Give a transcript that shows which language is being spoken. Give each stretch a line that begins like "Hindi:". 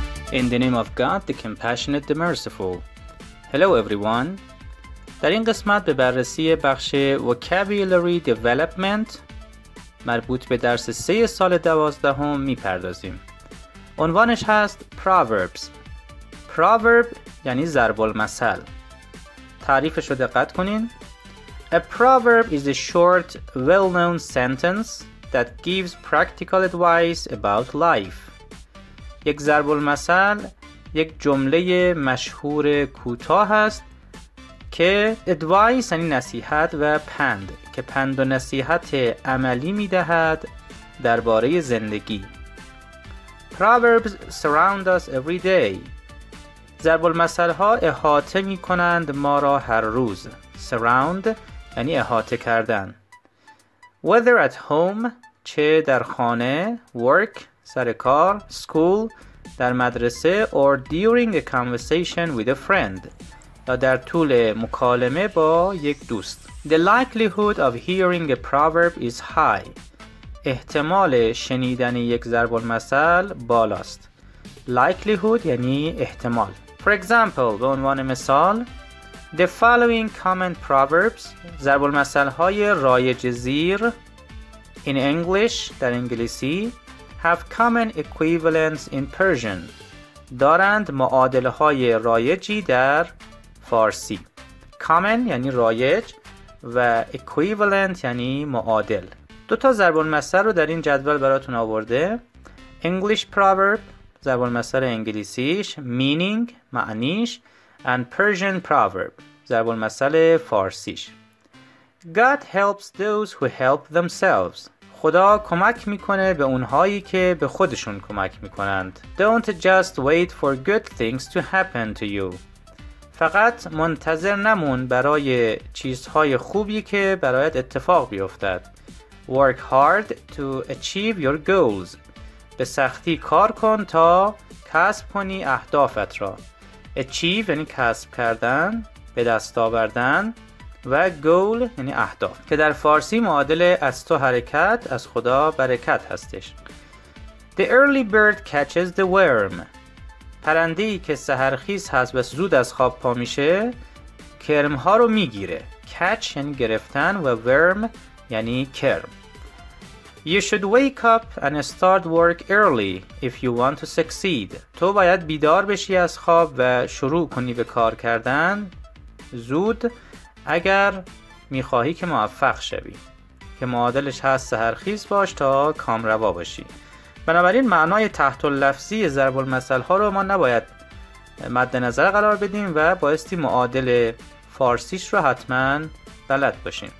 English: In the name of God, the compassionate, the merciful. Hello everyone.
Persian: در این قسمت به بررسی بخش Vocabulary Development مربوط به درس 3 سال 12 میپردازیم. عنوانش هست Proverbs. Proverb یعنی ضرب المثل. تعریفش رو دقت کنین.
English: A proverb is a short, well-known sentence that gives practical advice about life.
Persian: یک ضرب المثل یک جمله مشهور کوتاه است که advice یعنی نصیحت و پند که پند و نصیحت عملی می دهد درباره زندگی.
English: Proverbs surround us every day.
Persian: ضرب المثل ها احاطه می کنند ما را هر روز. Surround یعنی احاطه کردن.
English: Whether at home,
Persian: چه در خانه,
English: work,
Persian: سر کار,
English: school,
Persian: در مدرسه,
English: or during a conversation with a friend,
Persian: یا در طول مکالمه با یک دوست.
English: The likelihood of hearing a proverb is high.
Persian: احتمال شنیدن یک ضرب المثل بالاست. Likelihood یعنی احتمال.
English: For example,
Persian: به عنوان مثال،
English: The following common proverbs,
Persian: ضرب المثل های رایج زیر
English: in English,
Persian: در انگلیسی,
English: have common equivalents in Persian,
Persian: دارند معادله های رایجی در فارسی. Common یعنی رایج و equivalent یعنی معادل. دو تا ضرب المثل رو در این جدول براتون آورده.
English: English proverb,
Persian: ضرب المثل انگلیسیش, meaning, معنیش,
English: and Persian proverb,
Persian: ضرب المثل فارسیش.
English: God helps those who help themselves.
Persian: خدا کمک میکنه به اونهایی که به خودشون کمک میکنند.
English: Don't just wait for good things to happen to you.
Persian: فقط منتظر نمون برای چیزهای خوبی که برایت اتفاق بیفتد.
English: Work hard to achieve your goals.
Persian: به سختی کار کن تا کسب کنی اهدافت را. Achieve یعنی کسب کردن، به دست آوردن و goal یعنی اهداف که در فارسی معادل از تو حرکت، از خدا برکت هستش.
English: The early bird catches the worm.
Persian: پرندهی که سحرخیز هست و زود از خواب پا میشه کرمها رو میگیره. Catch یعنی گرفتن و worm یعنی کرم.
English: You should wake up and start work early if you want to succeed.
Persian: تو باید بیدار بشی از خواب و شروع کنی به کار کردن زود اگر میخواهی که موفق شوی، که معادلش هست سحرخیز باش تا کامروا باشی. بنابراین معنای تحت اللفظی ضرب المثل ها رو ما نباید مد نظر قرار بدیم و بایستی معادل فارسیش رو حتما بلد باشیم.